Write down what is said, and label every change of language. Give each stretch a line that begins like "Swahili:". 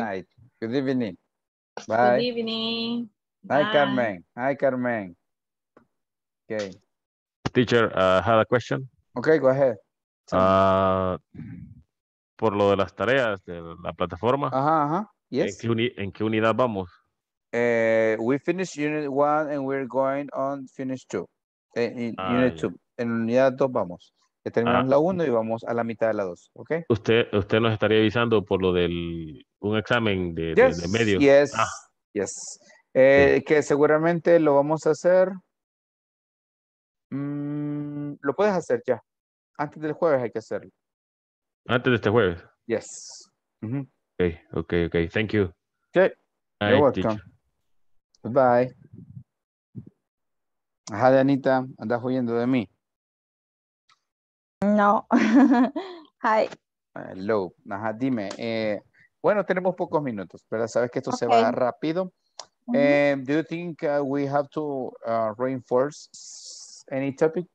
English: Night. Good evening. Bye. Good evening. Bye. Hi, Carmen. Okay. Teacher, I had a question. Okay, go ahead.
Spanish: Por lo de las tareas de la plataforma.
English: Uh-huh. Yes.
Spanish: ¿En qué unidad vamos?
English: We finished unit one and we're going on finish two. In unit two.
Spanish: En unidad 2 vamos. Terminamos la 1 y vamos a la mitad de la 2. ¿Ok? Usted nos estaría avisando por lo del un examen de medio. Yes. Ah. Yes. Sí. Que seguramente lo vamos a hacer. Lo puedes hacer ya. Antes del jueves hay que hacerlo. Antes de este jueves.
English: Yes. Uh-huh. Okay. Thank you. Okay. You're welcome. Bye.
Spanish: Ajá, Anita, andas huyendo de mí.
English: No. Hi.
Spanish: Hello. Ajá, dime. Bueno, tenemos pocos minutos, pero sabes que esto se va rápido.
English: Do you think we have to reinforce any topic?